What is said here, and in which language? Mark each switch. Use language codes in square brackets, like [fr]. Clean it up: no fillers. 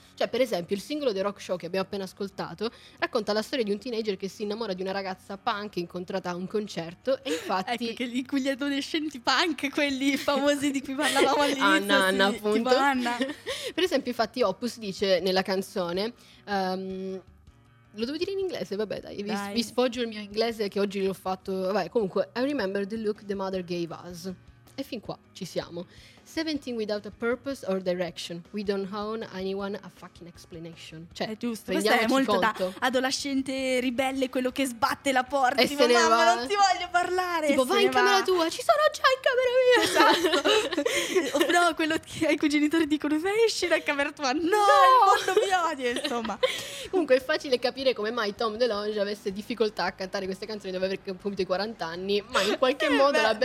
[it] Cioè, per esempio, il singolo The Rock Show che abbiamo appena ascoltato racconta la storia di un teenager che si innamora di una ragazza punk incontrata a un concerto. E infatti, ecco, che lì, quegli adolescenti punk, quelli famosi di cui parlavamo all'inizio. Anna, sì, appunto. Tipo Anna. Per esempio, infatti, Opus dice nella canzone, lo devo dire in inglese, vabbè, dai, vi sfoggio il mio inglese che oggi l'ho fatto. Vabbè, comunque, [en] I remember the look the mother gave us. [it] E fin qua ci siamo. [en] 17 without a purpose or direction. We don't own anyone a fucking explanation. [it] Cioè, è giusto, questa è molto conto. Da adolescente ribelle, quello che sbatte la porta e tipo, se ne mamma, va. Non ti voglio parlare. Tipo, vai in camera tua, ci sono già in camera mia. Esatto. No, quello che ai tuoi genitori dicono, vai, esci da camera tua. No, no, il mondo mi odia, insomma. Comunque, è facile capire come mai Tom DeLonge avesse difficoltà a cantare queste canzoni dove aveva compiuto i 40 anni, ma in qualche modo la band